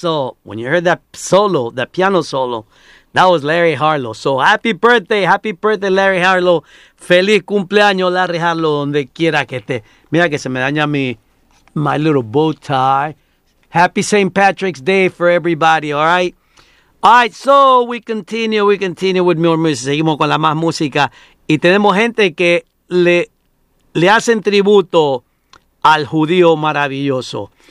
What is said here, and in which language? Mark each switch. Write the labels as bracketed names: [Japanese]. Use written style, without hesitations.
[English] So, when you heard that solo, that piano solo, that was Larry Harlow. So, happy birthday, Larry Harlow. [Spanish] Feliz cumpleaños, Larry Harlow, donde quiera que esté. Mira que se me daña mi, [English] my little bow tie. Happy St. Patrick's Day for everybody, all right? All right, so we continue with more music. [Spanish] Seguimos con la más música. Y tenemos gente que le hacen tributo al judío maravilloso.